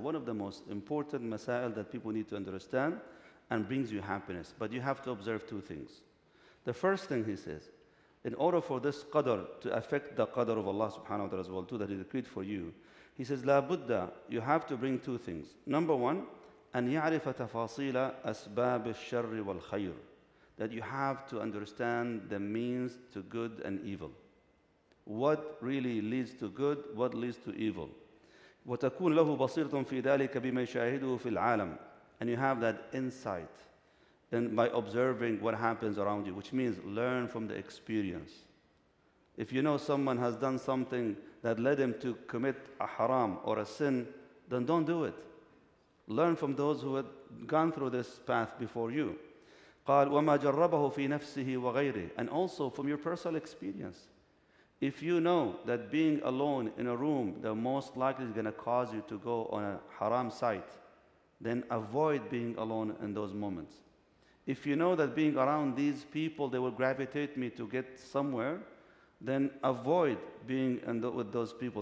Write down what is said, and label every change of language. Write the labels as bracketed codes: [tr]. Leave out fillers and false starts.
[en] One of the most important masail that people need to understand and brings you happiness. But you have to observe two things. The first thing he says, in order for this qadr to affect the qadr of Allah subhanahu wa ta'ala as well too, that he decreed for you, he says, [ar] لَا بُدَّ, [en] you have to bring two things. Number one, [ar] أَنْ يَعْرِفَ تَفَاصِيلَ أَسْبَابِ الشَّرِّ وَالْخَيْرِ. [en] That you have to understand the means to good and evil. What really leads to good, what leads to evil. [ar] وَتَكُونَ لَهُ بَصِيرَةٌ فِي ذَلِكَ بِمَا يَشَاهِدُهُ فِي الْعَالَمِ. [en] And you have that insight and by observing what happens around you, which means learn from the experience. If you know someone has done something that led him to commit a haram or a sin, then don't do it. Learn from those who had gone through this path before you. [ar] قال وما جربه في نفسه وغيره. [en] And also from your personal experience. If you know that being alone in a room, the most likely is going to cause you to go on a haram site, then avoid being alone in those moments. If you know that being around these people, they will gravitate me to get somewhere, then avoid being with those people.